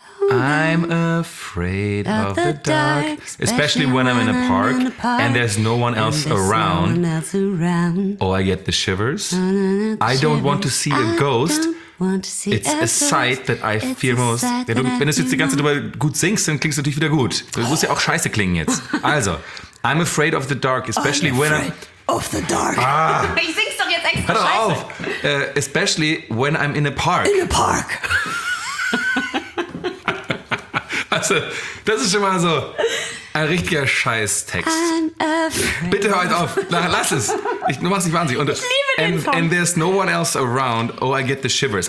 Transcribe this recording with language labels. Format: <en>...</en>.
<en>I'm afraid of the dark, especially when I'm in a park and there's no one else around. Oh, I get the shivers. I don't want to see a ghost. It's a sight that I fear most.</en> <de>Ja, du, wenn du jetzt die ganze Zeit gut singst, dann klingst du natürlich wieder gut. Du musst ja auch scheiße klingen jetzt.</de> <en>Also, I'm afraid of the dark, especially when I'm... Of the dark. Ah.</en> <de>Ich sing's doch jetzt extra scheiße. Hör auf.</de> <en>Especially when I'm in a park. In a park.</en> <de>Also, das ist schon mal so ein richtiger Scheißtext. Bitte hör auf, lass es. Du machst dich wahnsinnig. Und, ich liebe den Song.</de> <en>And there's no one else around, oh, I get the shivers.</en>